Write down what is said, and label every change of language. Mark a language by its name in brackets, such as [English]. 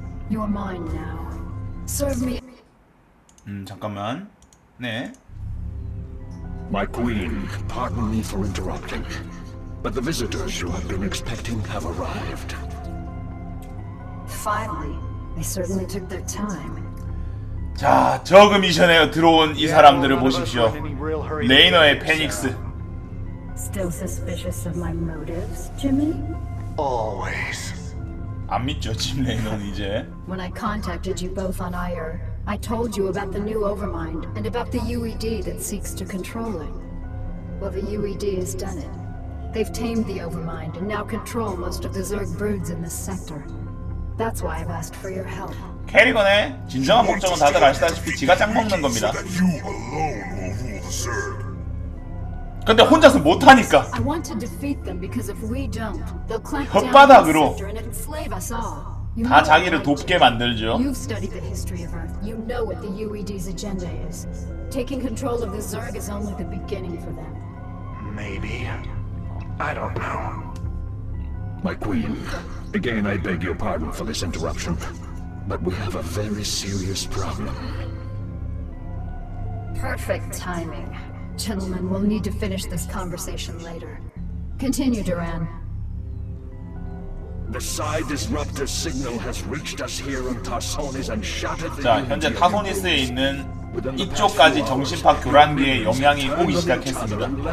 [English] You're mine now. Serve me. [Korean] 잠깐만. 네. [English] My queen, pardon me for interrupting, but the visitors you have been expecting have arrived. Finally, they certainly took their time. [Korean] 자, 저그 미션에 들어온 이 사람들을 보십시오. 레이너의 페닉스. [English] Still suspicious of my motives, Jimmy? Always. [Korean] 안 믿죠, 짐 레이너는 이제. [English] When I contacted you both on Ire, I told you about the new Overmind and about the UED that seeks to control it. Well, the UED has done it. They've tamed the Overmind and now control most of the Zerg broods in this sector. That's why I've asked for your help. [Korean] 캐리건의 진정한 목적은 다들 아시다시피 지가 짱 먹는 겁니다. 근데 혼자서 못 하니까. 혓바닥으로 다 자기를 돕게 만들죠. [English] You've studied the history of Earth. You know what the UED's agenda is. Taking control of the Zerg is only the beginning for them. Maybe. I don't know. My queen, again I beg your pardon for this interruption, but we have a very serious problem. Perfect timing. Gentlemen, we'll need to finish this conversation later. Continue, Duran. The Psi disruptor signal has reached us here on Tarsonis and shattered the. [Korean] 자, 현재 타소니스에 있는 이쪽까지 정신파 교란기의 영향이 오기 시작했습니다.